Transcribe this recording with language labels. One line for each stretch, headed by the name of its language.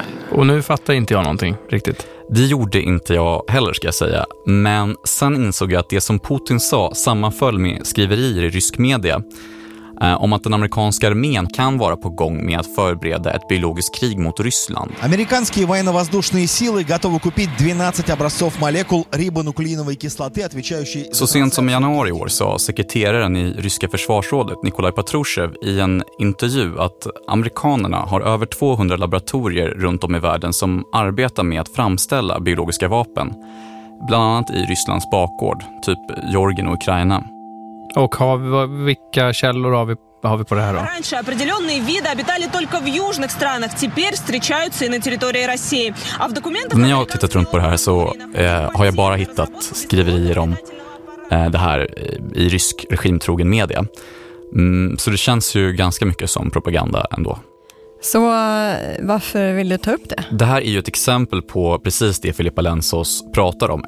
Swedish: Och nu fattar inte jag någonting riktigt. Det gjorde inte jag heller, ska jag säga. Men sen insåg jag att det som Putin sa sammanföll med skriverier i rysk media om att den amerikanska armén kan vara på gång med att förbereda ett biologiskt krig mot Ryssland.
Russian: Американские военно-воздушные силы готовы купить 12 образцов молекул рибонуклеиновой кислоты, отвечающей.
Swedish: Så sent som i januari i år sa sekreteraren i ryska försvarsrådet Nikolaj Patrushev i en intervju att amerikanerna har över 200 laboratorier runt om i världen som arbetar med att framställa biologiska vapen, bland annat i Rysslands bakgård, typ Georgien och Ukraina. Och vilka källor har vi på det här då?
Russian: Раньше определённые виды обитали только в южных странах, теперь встречаются и на территории России. А в документах.
Swedish: När jag tittat runt på det här så har jag bara hittat skriverier om det här i rysk regimtrogen media. Så det känns ju ganska mycket som propaganda ändå. Så varför vill du ta upp det? Det här är ju ett exempel på precis det Filippa Lensos pratar om.